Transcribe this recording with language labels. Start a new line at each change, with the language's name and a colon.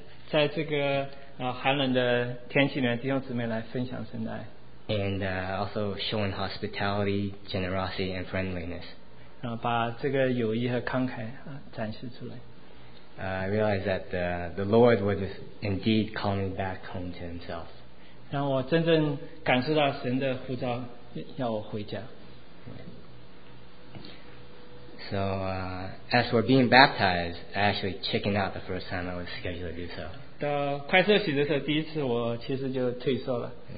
Chinese: 在这个寒冷的天气里面，弟兄姊妹来分享圣爱，
English: and also showing hospitality, generosity, and friendliness,
Chinese: 把这个友谊和慷慨展示出来。
English: I realized that the Lord was indeed calling back home to Himself.
Chinese: 让我真正感受到神的呼召，要我回家。
English: So as for being baptized, I actually chickened out the first time I was scheduled to do so.
Chinese: 快设洗的时候，第一次我其实就退缩了。